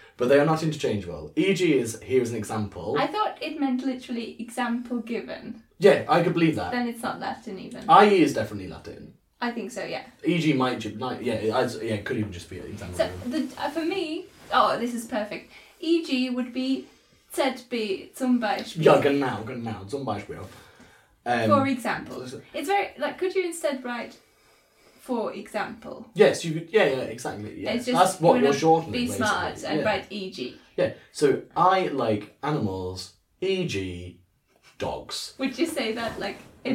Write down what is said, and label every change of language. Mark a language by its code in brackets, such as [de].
[en] But they are not interchangeable. EG is, here is an example. I thought it meant literally example given. Yeah, I could believe that. Then it's not Latin even. IE is definitely Latin. I think so, yeah. EG might could even just be an example. So, for me, this is perfect. EG would be ZB, zum Beispiel. [de] Ja, genau, zum Beispiel. [en] For example. It's very, like, could you instead write... For example. Yes, you could. Yeah, exactly. Yeah. It's just, that's what you're shortening. Be basically. Smart and yeah. Write EG. Yeah, so I like animals, e.g., dogs. Would you say that like in